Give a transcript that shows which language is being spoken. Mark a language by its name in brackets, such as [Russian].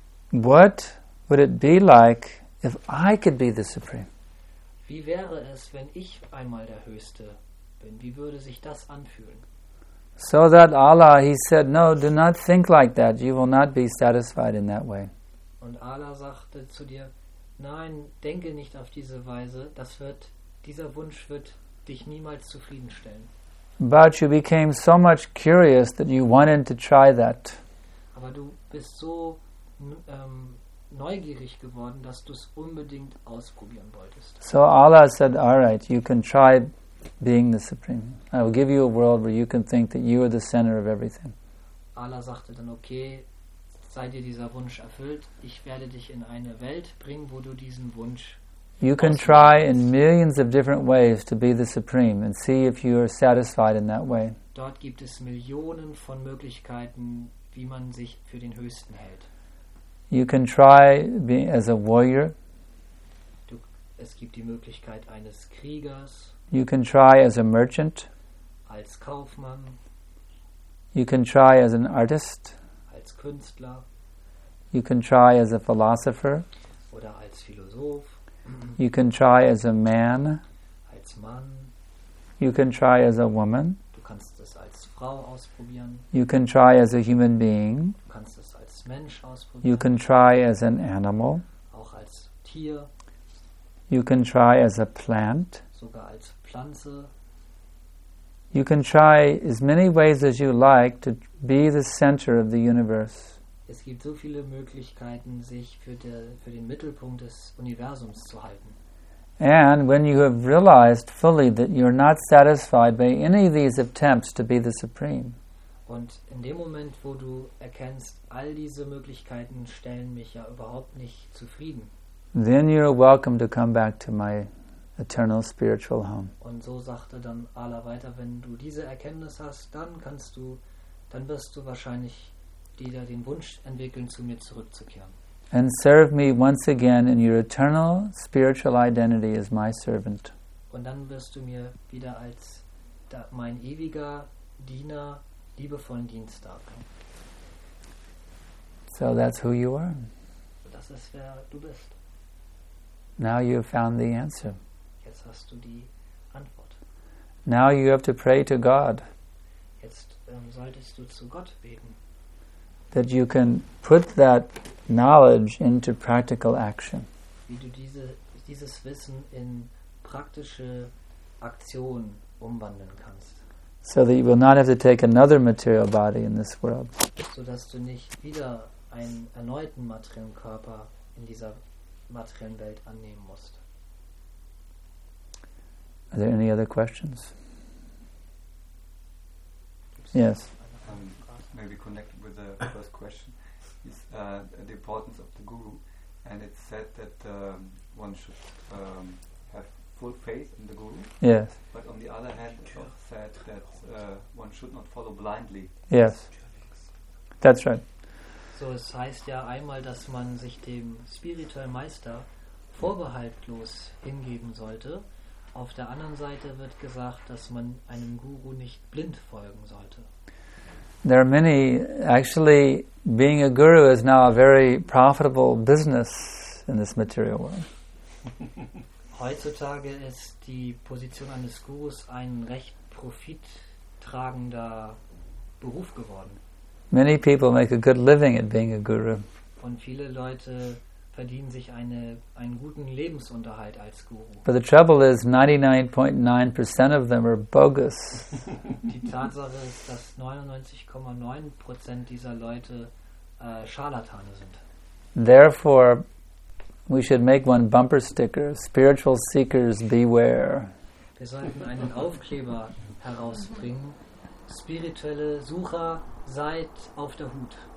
[English] What would it be like if I could be the supreme? [German] Wie wäre es, wenn ich einmal der Höchste bin? Wie würde sich das anfühlen? [English] So that Allah, he said, no, do not think like that. You will not be satisfied in that way. [German] Und Allah sagte zu dir, nein, denke nicht auf diese Weise. Dieser Wunsch wird dich niemals zufriedenstellen. [English] But you became so much curious that you wanted to try that. [German] Aber du bist so neugierig geworden, dass du es unbedingt ausprobieren wolltest. [English] So Allah said, all right, you can try being the supreme. I will give you a world where you can think that you are the center of everything. [German] Allah sagte dann, okay, sei dir dieser Wunsch erfüllt. Ich werde dich in eine Welt bringen, wo du diesen Wunsch. [English] You can try in millions of different ways to be the supreme and see if you are satisfied in that way. [German] Dort gibt es Millionen von Möglichkeiten, wie man sich für den Höchsten hält. [English] You can try being as a warrior. [German] Es gibt die Möglichkeit eines Kriegers. [English] You can try as a merchant. [German] Als Kaufmann. [English] You can try as an artist. [German] Als Künstler. [English] You can try as a philosopher. [German] Oder als Philosoph. [English] You can try as a man. [German] Als Mann. [English] You can try as a woman. [German] Du kannst es als Frau ausprobieren. [English] You can try as a human being. [German] Du kannst es als Mensch ausprobieren. [English] You can try as an animal. [German] Auch als Tier. [English] You can try as a plant. [German] Sogar als Pflanze. [English] You can try as many ways as you like to be the center of the universe. [German] Es gibt so viele Möglichkeiten, sich für den Mittelpunkt des Universums zu halten. [English] And when you have realized fully that you're not satisfied by any of these attempts to be the supreme. [German] Und in dem Moment, wo du erkennst, all diese Möglichkeiten stellen mich ja überhaupt nicht zufrieden. [English] Then you're welcome to come back to my eternal spiritual home. [German] Und so sagte dann Allah weiter, wenn du diese Erkenntnis hast, dann wirst du wahrscheinlich wieder den Wunsch entwickeln, zu mir zurückzukehren. [English] And serve me once again in your eternal spiritual identity as my servant. [German] Und dann wirst du mir wieder als mein ewiger Diener liebevollen Dienst darbringen. [English] So that's who you are. [German] Das ist, wer du bist. [English] Now you have found the answer. [German] Jetzt hast du die Antwort. [English] Now you have to pray to God. [German] Jetzt solltest du zu Gott beten. [English] That you can put that knowledge into practical action. [German] Wie du dieses Wissen in praktische Aktion umwandeln kannst. [English] So that you will not have to take another material body in this world. [German] So dass du nicht wieder einen erneuten materiellen Körper in dieser materiellen Welt annehmen musst. [English] Are there any other questions? Yes. Maybe connected with the first question is the importance of the guru, and it's said that one should have full faith in the guru. Yes. But on the other hand, it's also said that one should not follow blindly. Yes. That's right. [German] So es heißt ja einmal, dass man sich dem spirituellen Meister vorbehaltlos hingeben sollte. Auf der anderen Seite wird gesagt, dass man einem Guru nicht blind folgen sollte. [English] There are many. Actually, being a guru is now a very profitable business in this material world. [German] Heutzutage ist die Position eines Gurus ein recht profittragender Beruf geworden. [English] Many people make a good living at being a guru. [German] Und viele Leute verdienen sich einen guten Lebensunterhalt als Guru. [English] But the trouble is, 99.9% of them are bogus. [German] Die Tatsache ist, dass 99,9% dieser Leute Scharlatane sind. [English] Therefore, we should make one bumper sticker: Spiritual seekers beware. [German] Wir sollten einen Aufkleber herausbringen. Spirituelle Sucher, seid auf der Hut.